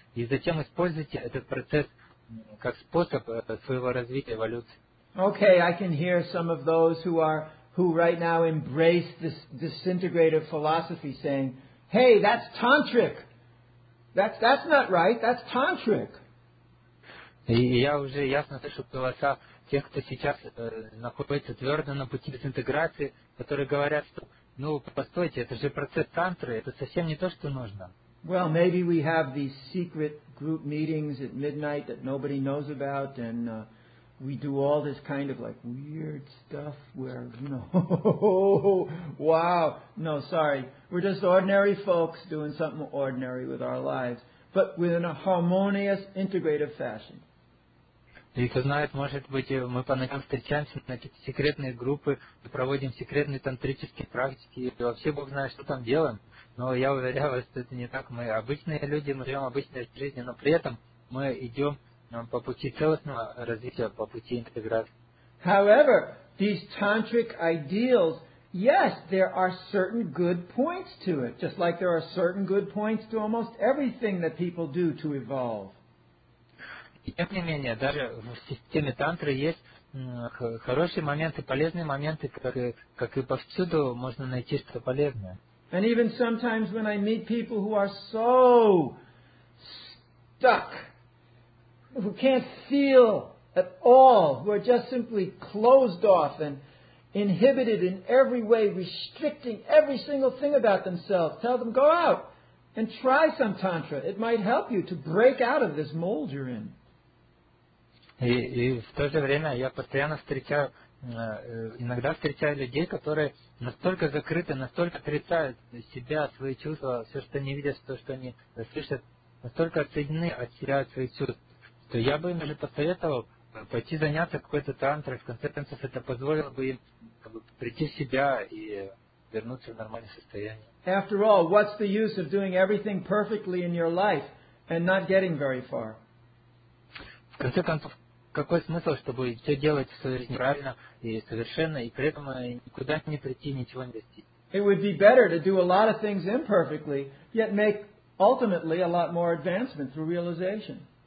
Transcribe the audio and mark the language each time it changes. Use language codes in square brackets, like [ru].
[ru] И затем используйте этот процесс как способ своего развития, эволюции. [en] Okay, I can hear some of those who right now embrace this disintegrative philosophy saying, hey, that's tantric. That's not right. That's tantric. [ru] Я уже ясно слышу голоса тех, кто сейчас находится твердо на пути дезинтеграции, которые говорят, что, ну, постойте, это же процесс тантры, это совсем не то, что нужно. [en] Well, maybe we have these secret group meetings at midnight that nobody knows about, and we do all this kind of like weird stuff where, you know, wow. No, sorry. We're just ordinary folks doing something ordinary with our lives, but within a harmonious, integrative fashion. [ru] И кто знает, может быть, мы по ночам встречаемся на какие-то секретные группы, проводим секретные тантрические практики, и вообще Бог знает, что там делаем. Но я уверяю вас, что это не так. Мы обычные люди, мы живем обычной жизнью, но при этом мы идем по пути целостного развития, по пути интеграции. [en] However, these tantric ideals, yes, there are certain good points to it, just like there are certain good points to almost everything that people do to evolve. [ru] Тем не менее, даже в системе тантры есть хорошие моменты, полезные моменты, как и повсюду можно найти что-то полезное. [en] And even sometimes when I meet people who are so stuck, who can't feel at all, who are just simply closed off and inhibited in every way, restricting every single thing about themselves, tell them, go out and try some tantra. It might help you to break out of this mold you're in. [ru] И в то же время я постоянно встречаю, иногда встречаю людей, которые настолько закрыты, настолько отрицают себя, свои чувства, все, что они видят, то, что они слышат, настолько отсоединены, отсеряют свои чувства, что я бы им даже посоветовал пойти заняться какой-то тантрой, в конце концов это позволило бы им прийти в себя и вернуться в нормальное состояние. [en] After all, what's the use of doing everything perfectly in your life and not getting very far? [ru] В конце концов, какой смысл, чтобы все делать в своей жизни правильно и совершенно, и при этом никуда не прийти, ничего не достичь? [en] It would be better to do a lot of things imperfectly, yet make ultimately a lot more advancement through realization.